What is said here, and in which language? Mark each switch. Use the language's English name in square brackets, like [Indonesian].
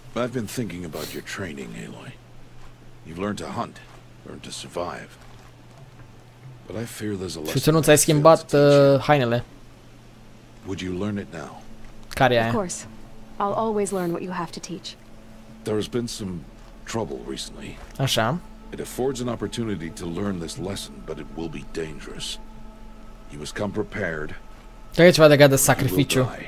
[English] I've been thinking about your training, Aloy. You've learned to hunt, learned to survive. But I fear there's a lesson. [Romanian] Și tu nu ți-ai schimbat hainele. [English] Would you learn it now? [Romanian] Care e aia? [English] Of course. I'll always learn what you have to teach. There's been some trouble recently. [Romanian] Așa. [English] It affords an opportunity to learn this lesson, but it will be dangerous. You must come prepared. [Romanian] Trebuie ceva legat de sacrificiu.